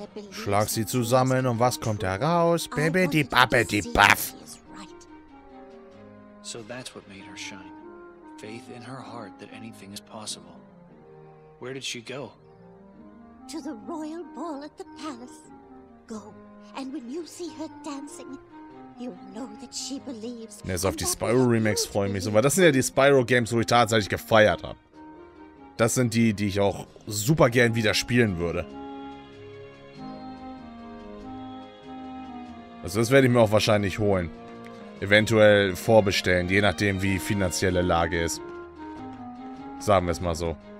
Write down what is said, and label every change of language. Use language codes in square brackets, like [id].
[de] Schlag sie zusammen und was kommt heraus? Baby, die Babbe, die Baff. [en] So that's what made her shine. Faith in her heart that anything is possible. Where did she go? To the royal ball at the palace. Go, and when you see her dancing, you know that she believes. [de] Ja, so auf die Spyro Remakes freue ich mich so, weil das sind ja die Spyro Games, wo ich tatsächlich gefeiert habe. Das sind die, die ich auch super gern wieder spielen würde. Also das werde ich mir auch wahrscheinlich holen. Eventuell vorbestellen, je nachdem wie finanzielle Lage ist. Sagen wir es mal so.